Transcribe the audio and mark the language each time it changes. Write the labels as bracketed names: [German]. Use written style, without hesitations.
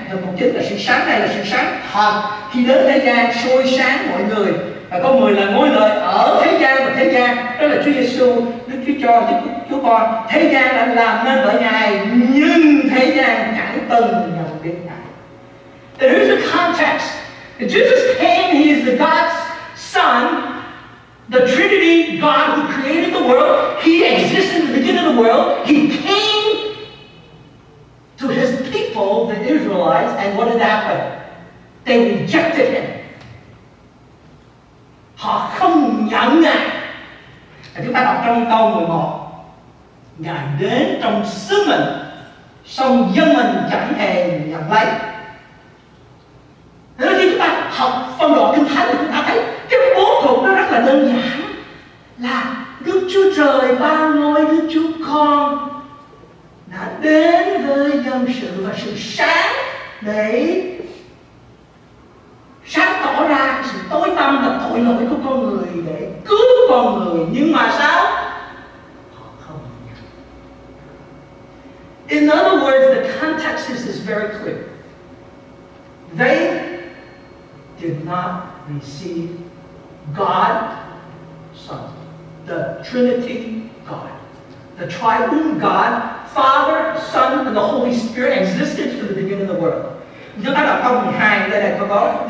[Vietnamese] Và một chứng là sự sáng này là sự sáng thật khi đến thế gian soi sáng mọi người. Và có người là ngôi lời ở thế gian và thế gian, đó là Chúa Giê-xu, Đức Chúa Cho, Đức Chúa Con. Thế gian đã làm nên bởi Ngài, nhưng thế gian chẳng từng nhận biết Ngài. [English] There is a context. Jesus came, He is the God's Son, the Trinity, God who created the world. He existed in the beginning of the world. He came to His people, the Israelites, and what did happen? They rejected Him. [Vietnamese] Họ không nhận Ngài. Và chúng ta đọc trong câu 11, Ngài đến trong xứ mình, song dân mình chẳng hề nhận lấy. Thế nên khi chúng ta học phân đoạn Kinh Thánh thì chúng ta thấy cái bố cục nó rất là đơn giản, là Đức Chúa Trời ban ngôi, Đức Chúa Con đã đến với dân sự và sự sáng để sáng tỏ ra sự tối tăm và tội lỗi của con người để cứu con người. Nhưng mà sao? Họ không nhận. [English] In other words, the context is very clear. They did not receive God, Son, the Trinity God. The triune God, Father, Son, and the Holy Spirit existed from the beginning of the world. [Vietnamese] Chúng ta đọc câu 12 đây này, các bạn.